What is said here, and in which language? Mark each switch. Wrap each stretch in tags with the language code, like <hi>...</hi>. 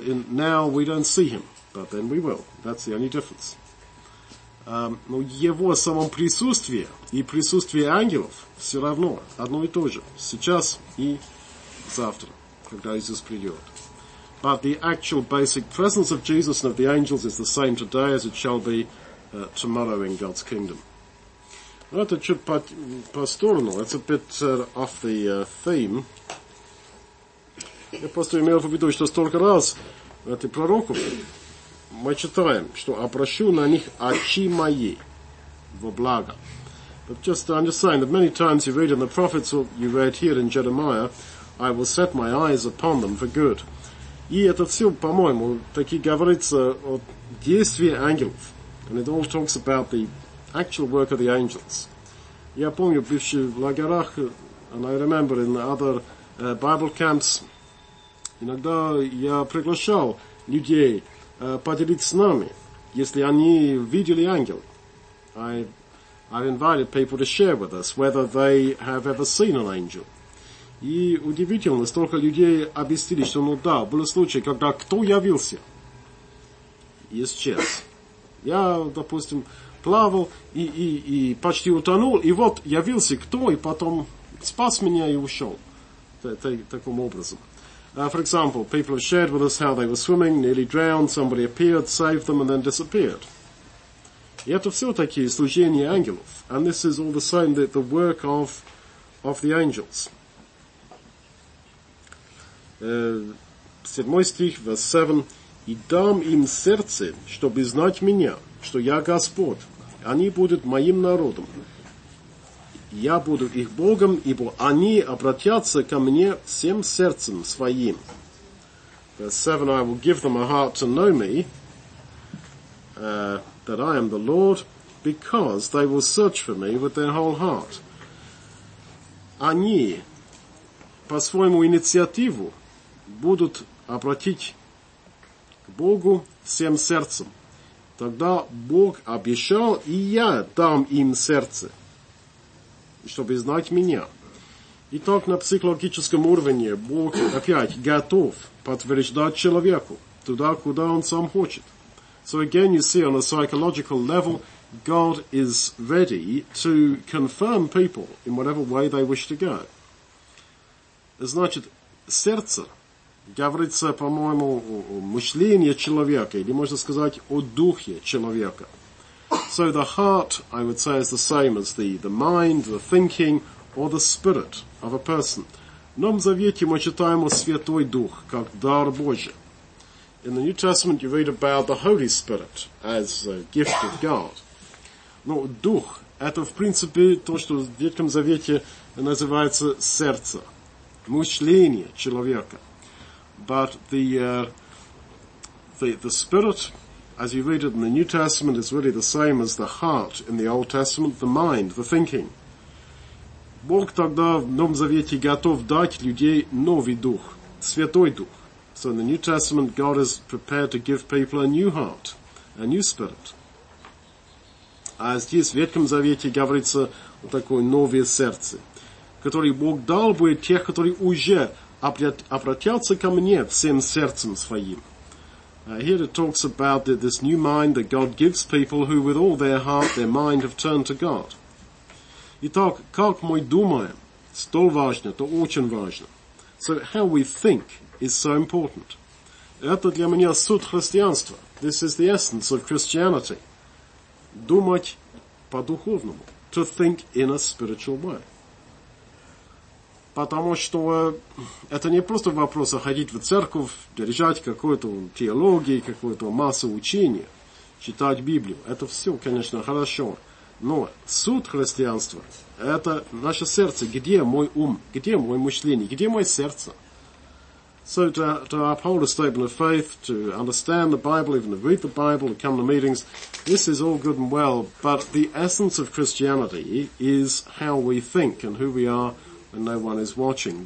<en>Now we don't see him, but then we will. That's the only difference.</en> <ru>Но его самом присутствие и присутствие ангелов все равно одно и то же. Сейчас и завтра, когда Иисус придет.</ru> <en>But the actual basic presence of Jesus and of the angels is the same today as it shall be tomorrow in God's kingdom.</en> <ru>Но это чуть по сторону.</ru> <en>It's a bit off the theme.</en> <ru>Я просто имел в виду, что столько раз эти пророки мы читаем, что обращу на них очи мои во благо.</ru> <en>But just understand that many times you read in the prophets, or you read here in Jeremiah, I will set my eyes upon them for good.</en> <ru>И это все, по-моему, таки говорится о действии ангелов.</ru> <en>And it all talks about the actual work of the angels.</en> <ru>Я помню, бывший в лагерях,</ru> <en>and I remember in the other Bible camps,</en> <ru>иногда я приглашал людей поделиться с нами, если они видели ангел.</ru> <en>I've invited people to share with us whether they have ever seen an angel.</en> <ru>И удивительно, столько людей объяснили, что, ну да, был случай, когда кто явился и исчез. Я, допустим, плавал и почти утонул, и вот явился кто, и потом спас меня и ушел. Таким образом.</ru> <en>For example, people have shared with us how they were swimming, nearly drowned, somebody appeared, saved them, and then disappeared.</en> <ru>И это все-таки служение ангелов.</ru> <en>And this is all the same, the work of the angels.</en> <ru>Седьмой стих,</ru> <en>verse 7.</en> <ru>«И дам им сердце, чтобы знать меня, что я Господь. Они будут моим народом. Я буду их Богом, ибо они обратятся ко мне всем сердцем своим».</ru> <en>Verse 7. «I will give them a heart to know me, that I am the Lord, because they will search for me with their whole heart».</en> <ru>Они по своему инициативу будут обратить к Богу всем сердцем. Тогда Бог обещал, и я дам им сердце, чтобы знать меня. Итак, на психологическом уровне Бог опять готов подтверждать человеку туда, куда он сам хочет.</ru> <en>So again, you see, on a psychological level, God is ready to confirm people in whatever way they wish to go.</en> <ru>Значит, сердце, говорится, по-моему, о мышлении человека, или можно сказать, о духе человека.</ru> <en>So the heart, I would say, is the same as the mind, the thinking, or the spirit of a person.</en> <ru>В Новом Завете мы читаем о Святой Дух, как дар Божий.</ru> <en>In the New Testament, you read about the Holy Spirit as a gift of God.</en> <ru>Но дух – это, в принципе, то, что в Ветхом Завете называется сердце, мышление человека.</ru> <en>But the spirit, as you read it in the New Testament, is really the same as the heart in the Old Testament, the mind, the thinking.</en> <ru>Бог тогда в Новом Завете готов дать людей новый дух, Святой Дух,</ru> <en>So in the New Testament, God is prepared to give people a new heart, a new spirit.</en> <ru>А здесь, в Ветхом Завете, говорится о такое новое сердце, которое Бог дал бы тех, которые уже обратятся ко мне всем сердцем своим.</ru> <en>Here it talks about this new mind that God gives people who with all their heart, their mind have turned to God.</en> <ru>Итак, как мы думаем, столь важно, это очень важно.</ru> <en>So how we think is so important.</en> <ru>Это для меня суть христианства.</ru> <en>This is the essence of Christianity.</en> <ru>Думать по-духовному.</ru> <en>To think in a spiritual way.</en> <ru>Потому что это не просто вопрос ходить в церковь, держать какую-то теологию, какую-то массу учения, читать Библию. Это все, конечно, хорошо. Но суть христианства – это наше сердце. Где мой ум? Где мое мышление? Где мое сердце?</ru> <en>So to uphold a statement of faith, to understand the Bible, even to read the Bible, to come to meetings, this is all good and well, but the essence of Christianity is how we think and who we are when no one is watching.</en>